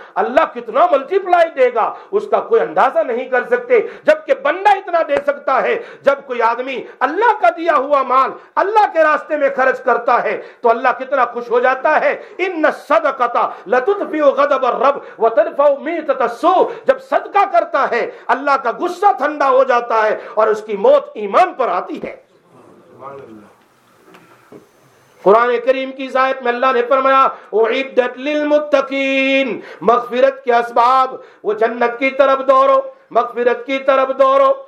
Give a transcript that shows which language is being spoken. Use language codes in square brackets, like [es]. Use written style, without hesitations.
[ur] اللہ کتنا ملٹی پلائی دے گا اس کا کوئی اندازہ نہیں کر سکتے, جبکہ بندہ اتنا دے سکتا ہے. جب کوئی آدمی اللہ کا دیا ہوا مال اللہ کے راستے میں خرچ کرتا ہے تو اللہ کتنا خوش ہو جاتا ہے. [ar] ان الصدقۃ لتطفئ غضب الرب وترفع میتۃ السوء. [ur] جب صدقہ کرتا ہے اللہ کا غصہ ٹھنڈا ہو جاتا ہے اور اس کی موت ایمان پر آتی ہے. قرآن کریم کی آیت میں اللہ نے فرمایا, اعدت للمتقین, مغفرت کے اسباب, وہ جنت کی طرف دوڑو, مغفرت کی طرف دوڑو.